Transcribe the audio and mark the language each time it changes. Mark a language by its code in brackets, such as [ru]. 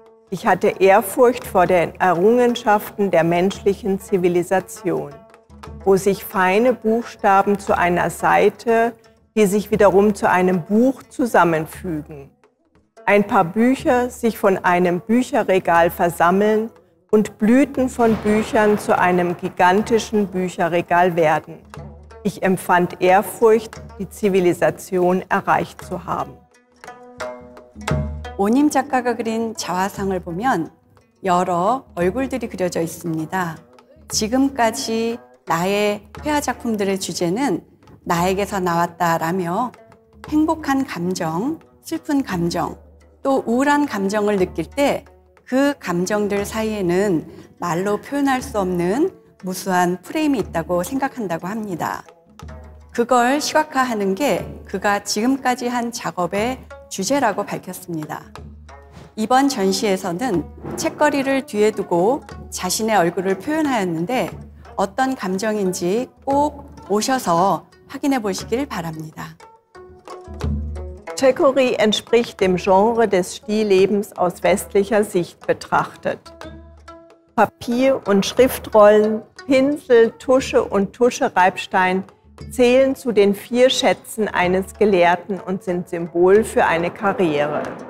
[de] Ich hatte Ehrfurcht vor den Errungenschaften der menschlichen Zivilisation, wo sich feine Buchstaben zu einer Seite die sich wiederum zu einem Buch zusammenfügen, ein paar Bücher sich von einem Bücherregal versammeln und Blüten von Büchern zu einem gigantischen Bücherregal werden. Ich empfand Ehrfurcht, die Zivilisation erreicht zu haben. [ko] Onim 작가가 그린 자화상을 보면 여러 얼굴들이 그려져 있습니다. 지금까지 나의 회화 작품들의 주제는 나에게서 나왔다라며 행복한 감정, 슬픈 감정, 또 우울한 감정을 느낄 때 그 감정들 사이에는 말로 표현할 수 없는 무수한 프레임이 있다고 생각한다고 합니다. 그걸 시각화하는 게 그가 지금까지 한 작업의 주제라고 밝혔습니다. 이번 전시에서는 책거리를 뒤에 두고 자신의 얼굴을 표현하였는데 어떤 감정인지 꼭 오셔서 확인해 보시길 바랍니다. [de] Checkori entspricht dem Genre des Stillebens aus westlicher Sicht betrachtet. Papier und Schriftrollen, Pinsel, Tusche und Tuschereibstein zählen zu den vier Schätzen eines Gelehrten und sind Symbol für eine Karriere.